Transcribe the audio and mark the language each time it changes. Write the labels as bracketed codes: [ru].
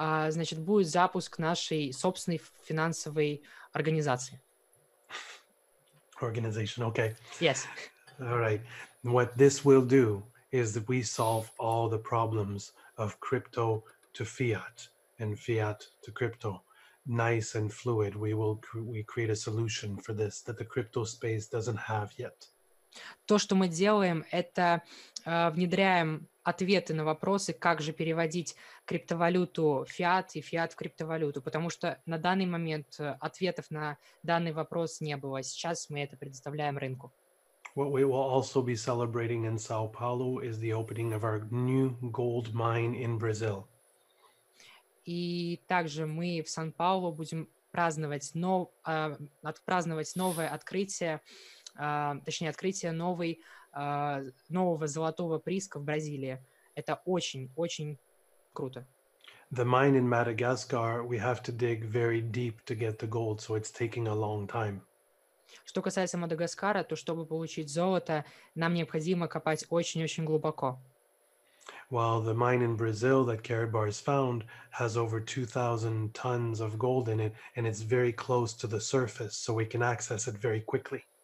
[ru] Значит, будет запуск нашей собственной финансовой организации. [en] Organization, okay. Yes. All right. What this will do is that we solve all the problems of crypto to fiat and fiat to crypto. Nice and fluid, we create a solution for this that the crypto space doesn't have yet. [ru] То, что мы делаем, это внедряем ответы на вопросы, как же переводить криптовалюту фиат и фиат в криптовалюту, потому что на данный момент ответов на данный вопрос не было. Сейчас мы это предоставляем рынку. [en] What we will also be celebrating in Sao Paulo is the opening of our new gold mine in Brazil. [ru] И также мы в Сан-Паулу будем праздновать новое открытие, точнее, открытие нового золотого прииска в Бразилии. Это очень-очень круто. [en] The mine in Madagascar, we have to dig very deep to get the gold, so it's taking a long time. [ru] Что касается Мадагаскара, то чтобы получить золото, нам необходимо копать очень-очень глубоко. [en] While the mine in Brazil that CardBars found has over 2,000 tons of gold in it, and it's very close to the surface, so we can access it very quickly.